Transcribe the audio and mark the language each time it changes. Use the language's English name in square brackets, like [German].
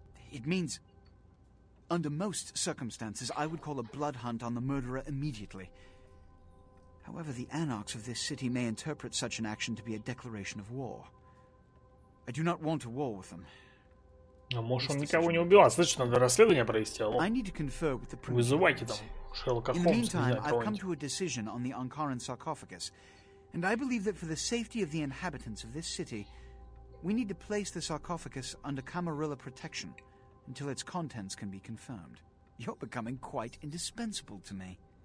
[English] It means, under most circumstances, I would call a blood hunt on the murderer immediately. However, the anarchs of this city may interpret such an action to be a declaration of war. I do not want a war with them. [Russian] А может, он никого не убил? Значит, надо расследование провести. Алло. [English] I need to confer with the principal. [Russian] Вызывайте там Шерлока Холмса. [English] In the meantime, I've come to a decision on the Ankaran sarcophagus, and I believe that for the safety of the inhabitants of this city, we need to place the sarcophagus under Camarilla protection. Until its contents can be confirmed. You're becoming quite indispensable to me.